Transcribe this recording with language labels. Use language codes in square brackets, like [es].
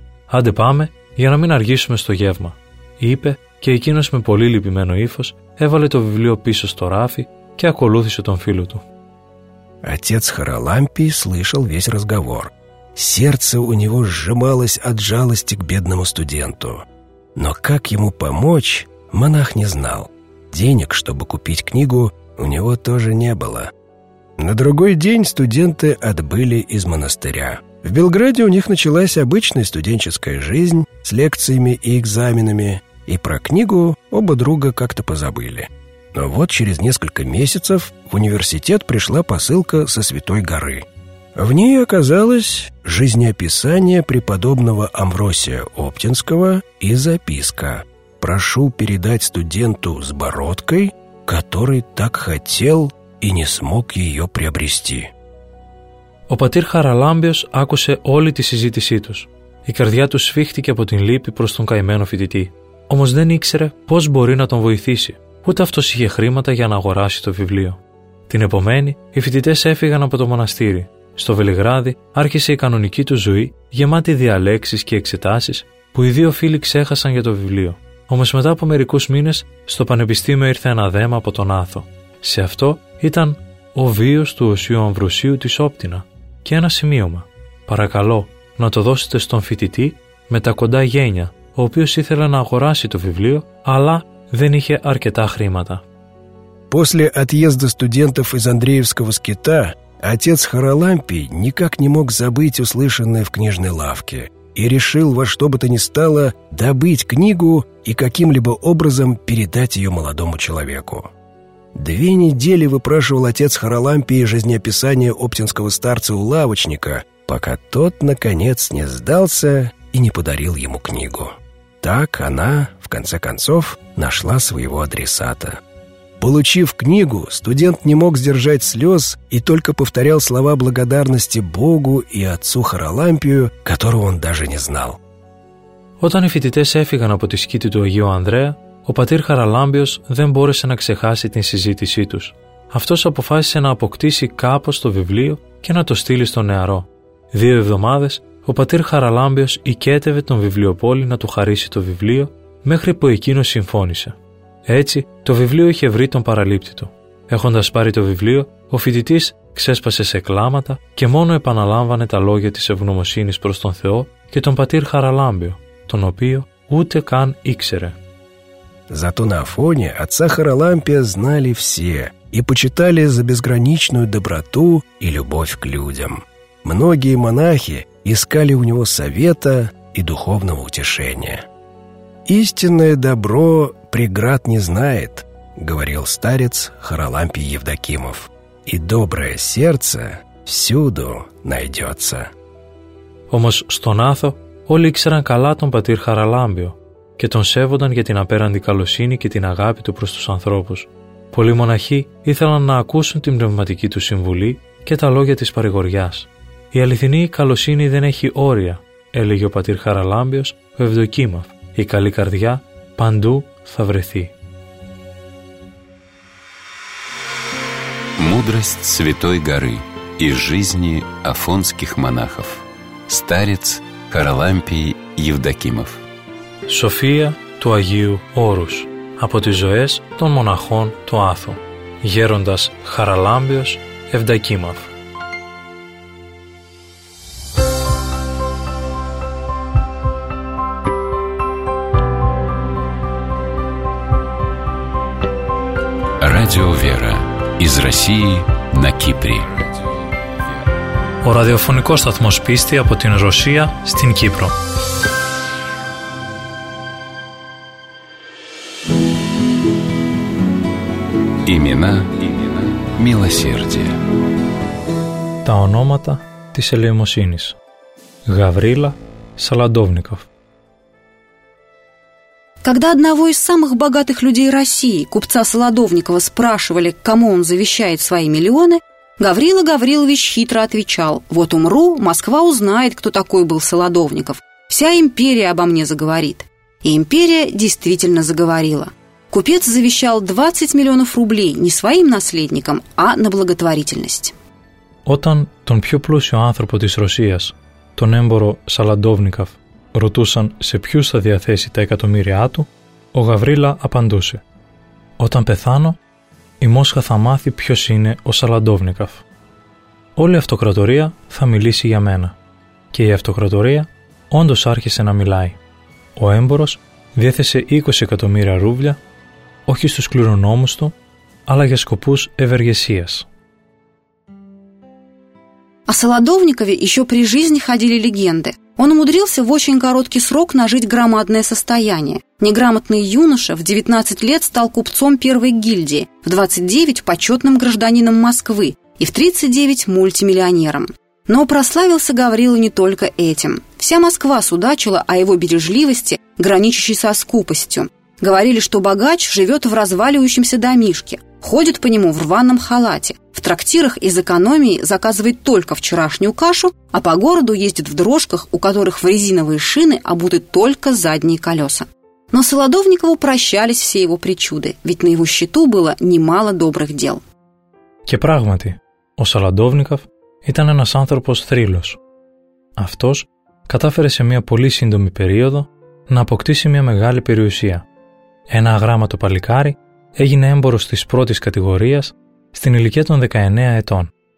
[el] «Άντε πάμε, για να μην αργήσουμε στο γεύμα», είπε, και εκείνος με πολύ λυπημένο ύφος έβαλε το βιβλίο πίσω στο ράφι και ακολούθησε τον φίλο του. [ru] Отец Харалампий слышал весь разговор. Сердце у него сжималось от жалости к бедному студенту. Но как ему помочь, монах не знал. Денег, чтобы купить книгу, у него тоже не было. На другой день студенты отбыли из монастыря. В Белграде у них началась обычная студенческая жизнь с лекциями и экзаменами, и про книгу оба друга как-то позабыли. Но вот через несколько месяцев в университет пришла посылка со Святой Горы. В ней оказалось жизнеописание преподобного Амвросия Оптинского и записка «Прошу передать студенту с бородкой, который так хотел и не смог ее приобрести». [el] Ο πατήρ Χαραλάμπιος άκουσε όλη τη συζήτησή τους. Η καρδιά του σφίχτηκε από την λύπη προς τον καημένο φοιτητή. Όμως δεν ήξερε πώς μπορεί να τον βοηθήσει. Ούτε αυτός είχε χρήματα για να αγοράσει το βιβλίο. Την επομένη, οι φοιτητές έφυγαν από το μοναστήρι. Στο Βελιγράδι άρχισε η κανονική του ζωή, γεμάτη διαλέξεις και εξετάσεις, που οι δύο φίλοι ξέχασαν για το βιβλίο. Όμως μετά από μερικούς μήνες, στο πανεπιστήμιο ήρθε ένα δέμα από τον Άθο. Σε αυτό ήταν «Ο βίος του Οσίου Αμβροσίου της Όπτινα» και ένα σημείωμα. «Παρακαλώ να το δώσετε στον φοιτητή με τα κοντά γένια, ο οποίος ήθελε να αγοράσει το βιβλίο, αλλά δεν είχε αρκετά χρήματα». [ru] После отъезда студентов из Андреевского скита, отец Харалампий никак не мог забыть услышанное в книжной лавке и решил во что бы то ни стало добыть книгу и каким-либо образом передать ее молодому человеку. Две недели выпрашивал отец Харалампий жизнеописание оптинского старца у лавочника, пока тот, наконец, не сдался и не подарил ему книгу. Так она, в конце концов, нашла своего адресата. Получив книгу, студент не мог сдержать слез и только повторял слова благодарности Богу и отцу Харалампию, которого он даже не знал. Когда [el] фитите сэфиган от скиты ту Агио Андрея, ο πατήρ Χαραλάμπιος δεν μπόρεσε να ξεχάσει την συζήτησή τους. Αυτός αποφάσισε να αποκτήσει κάπως το βιβλίο και να το στείλει στο νεαρό. Δύο εβδομάδες, ο πατήρ Χαραλάμπιος οικέτευε τον βιβλιοπόλη να του χαρίσει το βιβλίο, μέχρι που εκείνος συμφώνησε. Έτσι, το βιβλίο είχε βρει τον παραλήπτη του. Έχοντας πάρει το βιβλίο, ο φοιτητής ξέσπασε σε κλάματα και μόνο επαναλάμβανε τα λόγια της ευγνωμοσύνης προς τον Θεό και τον πατήρ Χαραλάμπιο, τον οποίο ούτε καν ήξερε. [ru] Зато на Афоне отца Харалампия знали все и почитали за безграничную доброту и любовь к людям. Многие монахи искали у него совета и духовного утешения. «Истинное добро преград не знает», — говорил старец Харалампий Евдокимов. «И доброе сердце всюду найдется». [el] Όμως στον Άθο όλοι ήξεραν καλά τον πατήρ Χαραλάμπιο και τον σέβονταν για την απέραντη καλοσύνη και την αγάπη του προς τους ανθρώπους. Πολλοί μοναχοί ήθελαν να ακούσουν την πνευματική του συμβουλή και τα λόγια της παρηγοριάς. «Η αληθινή καλοσύνη δεν έχει όρια», έλεγε ο πατήρ Χαραλάμπιος, ο Ευδοκίμαφ. «Η καλή καρδιά παντού θα βρεθεί». [ru] Мудрость Святой Горы из жизни афонских монахов. Старец Харалампий Евдокимов. [el] София του Αγίου Όρους από τις ζωές των μοναχών του Άθου. Γέροντας Χαραλάμπιος Ευδακίμαθ. [ru] Радио Вера. Из России на Кипре. [el] Ο ραδιοφωνικός σταθμός πίστη από την Ρωσία στην Κύπρο. [ru] Имена, имена милосердия. [el] Τα ονόματα της ελεημοσύνης. Γαβρίλα Σαλαντόβνικοφ. [ru] Когда одного из самых богатых людей России, купца Солодовникова, спрашивали, кому он завещает свои миллионы, Гаврила Гаврилович хитро отвечал: «Вот умру, Москва узнает, кто такой был Солодовников. Вся империя обо мне заговорит». И империя действительно заговорила. Купец завещал 20 миллионов рублей не своим наследникам, а на благотворительность. [el] Όταν τον πιο πλούσιο άνθρωπο της Ρωσίας, τον έμπορο Σαλαντόβνικοφ, ρωτούσαν σε ποιους θα διαθέσει τα εκατομμύρια του, ο Γαβρίλα απαντούσε: «Όταν πεθάνω, η Μόσχα θα μάθει ποιος είναι ο Σαλαντόβνικοφ. Όλη η αυτοκρατορία θα μιλήσει για μένα». Και η αυτοκρατορία όντως άρχισε να μιλάει. Ο έμπορος διέθεσε 20 εκατομμύρια ρούβλια, όχι στους κληρονόμους του, αλλά για σκοπούς ευεργεσίας. [ru] О Солодовникове еще при жизни ходили легенды. Он умудрился в очень короткий срок нажить громадное состояние. Неграмотный юноша в 19 лет стал купцом первой гильдии, в 29 – почетным гражданином Москвы и в 39 – мультимиллионером. Но прославился Гаврила не только этим. Вся Москва судачила о его бережливости, граничащей со скупостью. Говорили, что богач живет в разваливающемся домишке, ходит по нему в рваном халате, в трактирах из экономии заказывает только вчерашнюю кашу, а по городу ездит в дрожках, у которых в резиновые шины обуты только задние колеса. Но Солодовникову прощались все его причуды, ведь на его счету было немало добрых дел. [el] Και πράγματι, ο Солодовников ήταν ένας άνθρωπος θρύλος. Αυτός κατάφερε σε μια πολύ σύντομη περίοδο να αποκτήσει μια μεγάλη περιουσία. Ένα αγράμματο παλικάρι έγινε έμπορος της πρώτης κατηγορίας στην ηλικία των 19 ετών.